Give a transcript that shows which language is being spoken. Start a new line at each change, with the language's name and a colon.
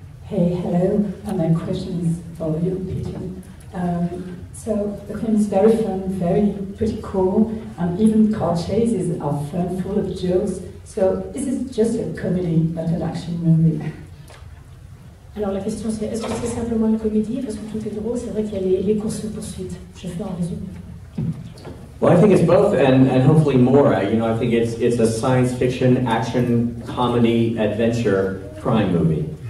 English: Hey, hello, and my question is for you, Peter. So the film is very fun, very pretty cool, and even car chases are fun, full of jokes. So this is just a comedy, but an action movie.
French: Alors la question c'est, est-ce que c'est simplement une comédie, parce que tout est drôle, c'est vrai qu'il y a les courses poursuites. Je fais en résumé.
English: Well, I think it's both, and hopefully more. You know, I think it's a science fiction, action, comedy, adventure, crime movie.